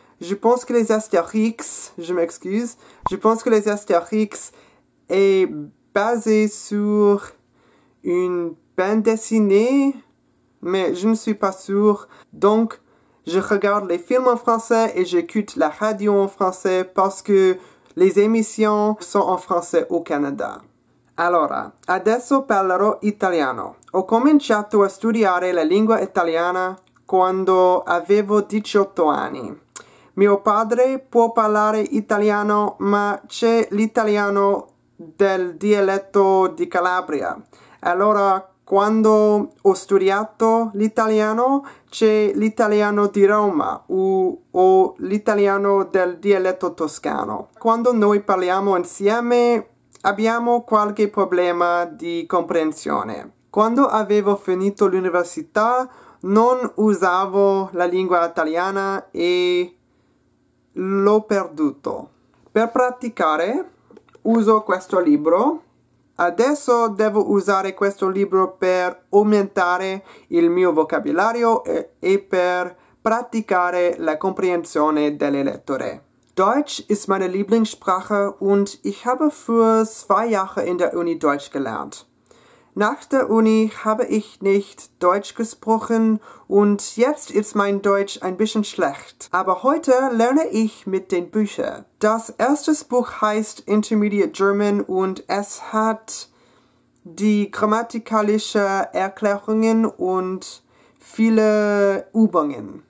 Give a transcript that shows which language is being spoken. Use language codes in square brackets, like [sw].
[fr] Je pense que les Astérix, je m'excuse, je pense que les Astérix est basé sur une bande dessinée, mais je ne suis pas sûr. Donc, je regarde les films en français et j'écoute la radio en français parce que les émissions sont en français au Canada. [it] Allora, adesso parlerò italiano. Ho cominciato a studiare la lingua italiana quando avevo 18 anni. Mio padre può parlare italiano, ma c'è l'italiano del dialetto di Calabria. Allora, quando ho studiato l'italiano, c'è l'italiano di Roma o l'italiano del dialetto toscano. Quando noi parliamo insieme, abbiamo qualche problema di comprensione. Quando avevo finito l'università, non usavo la lingua italiana e l'ho perduto. Per praticare, uso questo libro. Adesso devo usare questo libro per aumentare il mio vocabolario e per praticare la comprensione delle lettere. [de] Deutsch ist meine Lieblingssprache und ich habe für 2 Jahre in der Uni Deutsch gelernt. Nach der Uni habe ich nicht Deutsch gesprochen und jetzt ist mein Deutsch ein bisschen schlecht. Aber heute lerne ich mit den Büchern. Das erste Buch heißt Intermediate German und es hat die grammatikalischen Erklärungen und viele Übungen.